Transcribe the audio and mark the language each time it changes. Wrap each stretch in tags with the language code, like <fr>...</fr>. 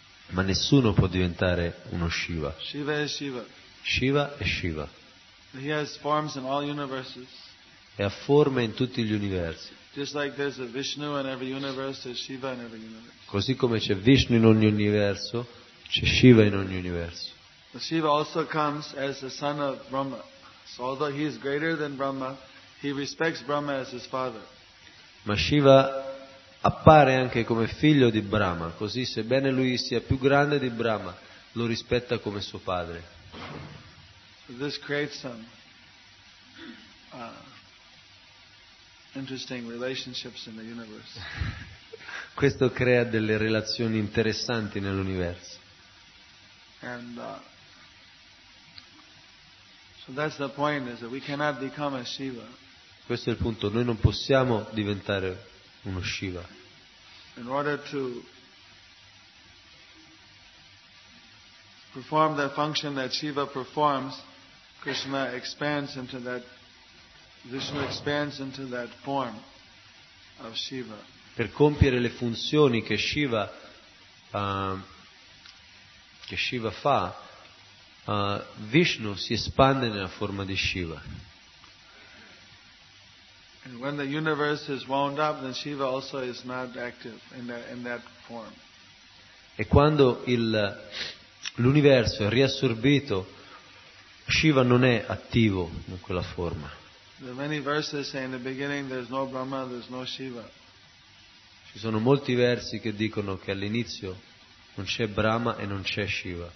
<it>Ma nessuno può diventare uno Shiva. Shiva è Shiva. Shiva è Shiva.</it> <en>He has forms in all universes.</en> <it>E ha forme in tutti gli universi.</it> <en>Just like there's a Vishnu in every universe, there's Shiva in every universe.</en> <it>Così come c'è Vishnu in ogni universo, c'è Shiva in ogni universo.</it> <en>But Shiva also comes as the son of Brahma. So although he is greater than Brahma, he respects Brahma as his father.</en> <it>Ma Shiva appare anche come figlio di Brahma, così sebbene lui sia più grande di Brahma, lo rispetta come suo padre.</it> <en>So this creates some interesting relationships in the universe.</en> <it>Questo crea delle relazioni interessanti nell'universo.</it> <en>And so that's the point, is that we cannot become a Shiva.</en> <it>Questo è il punto, noi non possiamo diventare uno Shiva.</it> <en>In order to perform the function that Shiva performs, Krishna expands into that, Vishnu expands into that form of Shiva.</en> <it>Per compiere le funzioni che Shiva fa, Vishnu si espande nella forma di Shiva.</it> <en>And when the universe is wound up, then Shiva also is not active in that form.</en> <it>E quando l'universo è riassorbito, Shiva non è attivo in quella forma.</it> <en>There are many verses saying in the beginning there's no Brahma, there's no Shiva.</en> <it>Ci sono molti versi che dicono che all'inizio non c'è Brahma e non c'è Shiva.</it>